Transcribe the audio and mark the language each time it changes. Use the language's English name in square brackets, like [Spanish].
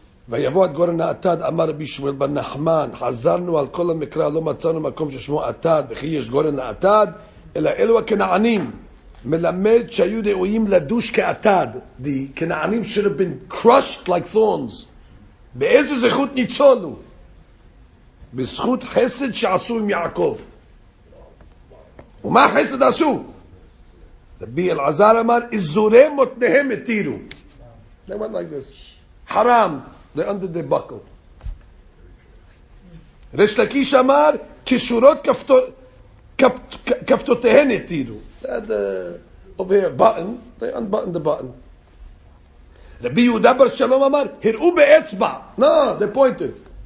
[Hebrew] ויבוא את גורן האטד, אמר רבי שמואל בן נחמן, חזרנו על כל המקרא, לא מצאנו מקום ששמו אטד, וכי יש גורן האטד, אלא אלו הכנענים, מלמד שהיו ראויים לדוש כאטד. [English] The כנענים should have been crushed like thorns. [Hebrew] באיזה זכות ניצולו? בזכות חסד שעשו עם יעקב. ומה החסד עשו? רבי אלעזר אמר, איזורי מותניהם התירו. [English] They went like this. חרם. They undid their buckle. [Hebrew] Resh Lakish amar, kishurot kaftotehen etiru. [English] They had over here a button. They unbuttoned the button. [Hebrew] Rabbi Yehuda bar Shalom amar, hiru be'etzba. [English] No, they pointed.